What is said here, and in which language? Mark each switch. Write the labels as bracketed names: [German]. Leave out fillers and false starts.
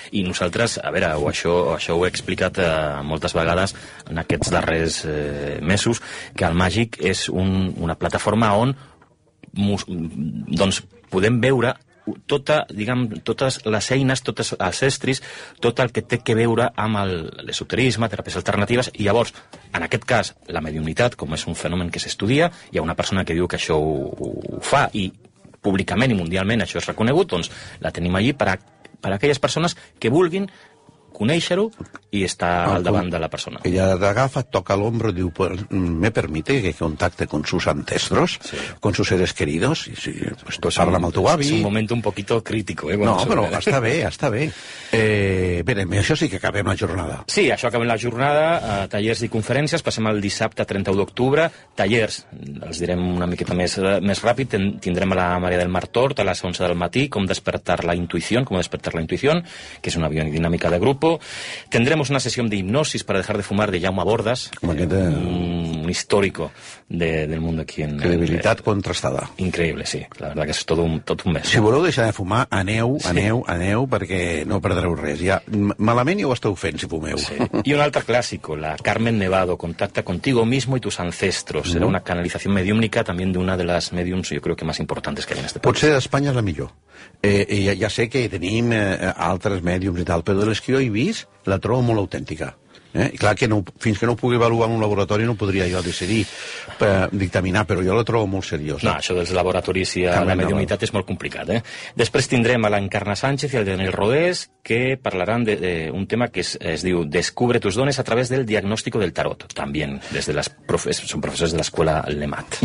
[Catalan] I nosaltres, a veure, això ho he explicat moltes vegades en aquests darrers mesos, que el màgic és una plataforma on doncs podem veure totes les eines, totes els estris, tot el que té que veure amb l'esoterisme, teràpies alternatives, i llavors, en aquest cas, la mediunitat, com és un fenomen que s'estudia, hi ha una persona que diu que això ho fa, i públicament i mundialment això és reconegut, doncs la tenim allí per a aquelles persones que vulguin conèixer-ho i estar al davant de la persona. Ella t'agafa, toca l'ombro i diu, [Spanish] pues, me permite que contacte con sus ancestros, sí, con sus seres queridos, y si, pues, pues [Catalan] parla amb el teu avi. És un moment [Spanish] un poquito crítico, [Catalan] eh? No, però està bé, està bé. Bé, això sí que acabem la jornada. Sí, això acabem la jornada, tallers i conferències, passem el dissabte 31 d'octubre, tallers, els direm una miqueta més ràpid, tindrem la Maria del Mar Tort a les 11 del matí, com despertar la intuïció, que és una biodinàmica de grup. [Spanish] Tendremos una sesión de hipnosis para dejar de fumar de Jaume Bordas, un histórico del mundo aquí en... Credibilidad contrastada. Increíble, sí. La verdad que es todo un mes. [Catalan] Si voleu deixar de fumar, aneu, perquè no perdreu res. Ja, malament ja ho esteu fent, si fumeu. [Spanish] Sí. Y [Catalan] un altre [Spanish] clàssico, la Carmen Nevado, contacta contigo mismo y tus ancestros. Será una canalización mediúmica también de una de las mediums, yo creo que más importantes que hay en este país. [Catalan] Potser d'Espanya és la millor. Ja sé que tenim altres mèdiums i tal, però de les que jo he vist la trobo molt autèntica. I clar que no, fins que no ho pugui avaluar en un laboratori no podria jo decidir dictaminar, però jo la trobo molt seriosa. No, això dels laboratoris i la mediunitat és molt complicat, eh? Després tindrem a l'Encarna Sánchez i el Daniel Rodés, que parlaran d'un tema que es diu [Spanish] Descubre tus dones a través del diagnóstico del tarot, [Catalan] també des de les són professors de l'escola LEMAT.